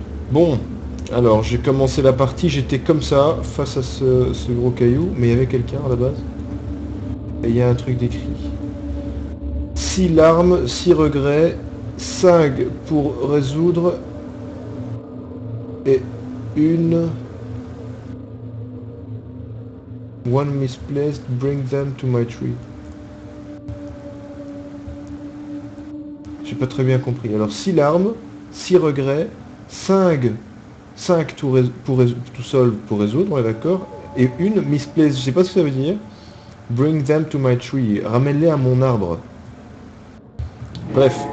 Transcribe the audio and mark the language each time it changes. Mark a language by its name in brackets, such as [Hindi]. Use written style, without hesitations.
[French] Bon, alors j'ai commencé la partie, j'étais comme ça, face à ce gros caillou, mais il y avait quelqu'un à la base. Et il y a un truc d'écrit. 6 larmes, 6 regrets, 5 pour résoudre et une. [English] One misplaced, bring them to my tree. [French] J'ai pas très bien compris. Alors 6 larmes, 6 regrets, 5 tout seul pour résoudre, on est d'accord. Et une misplaced, je sais pas ce que ça veut dire. [English] Bring them to my tree. [French] Ramène-les à mon arbre. Bref.